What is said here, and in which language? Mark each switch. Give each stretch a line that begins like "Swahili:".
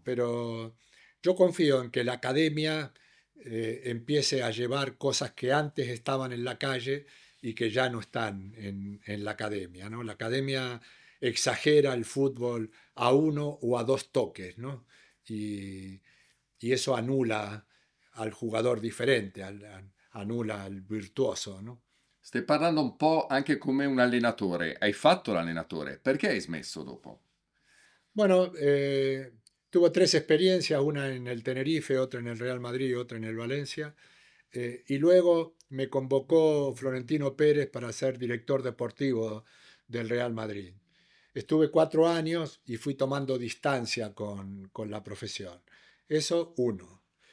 Spanish: Pero yo confío en que la academia... empiece a llevar cosas que antes estaban en la calle y que ya no están en la academia, ¿no? La academia exagera el fútbol a uno o a dos toques, ¿no? Y eso anula al jugador diferente, anula al virtuoso, ¿no?
Italian: Stai parlando un po' anche come un allenatore. Hai fatto l'allenatore. Perché hai smesso dopo?
Spanish: Bueno... tuve tres experiencias, una en el Tenerife, otra en el Real Madrid y otra en el Valencia. Y luego me convocó Florentino Pérez para ser director deportivo del Real Madrid. Estuve 4 años y fui tomando distancia con la profesión. Eso, uno.